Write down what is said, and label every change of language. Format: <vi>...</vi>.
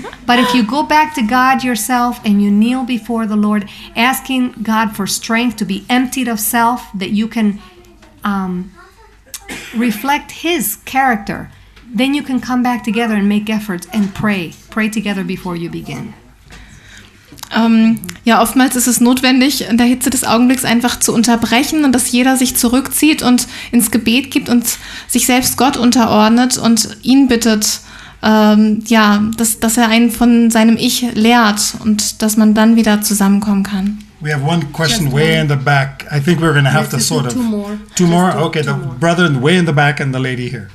<en>But if you go back to God yourself and you kneel before the Lord, asking God for strength to be emptied of self, that you can reflect His character, then you can come back together and make efforts and pray. Pray together before you begin.</en> <de>Ja, oftmals ist es notwendig, in der Hitze des Augenblicks einfach zu unterbrechen und dass jeder sich zurückzieht und ins Gebet gibt und sich selbst Gott unterordnet und ihn bittet, ja, dass er einen von seinem Ich lehrt und dass man dann wieder zusammenkommen kann.</de> <en>We have one question way in the back. I think we're going to have to sort of... Two more? Okay, the brother way in the back and the lady here.</en>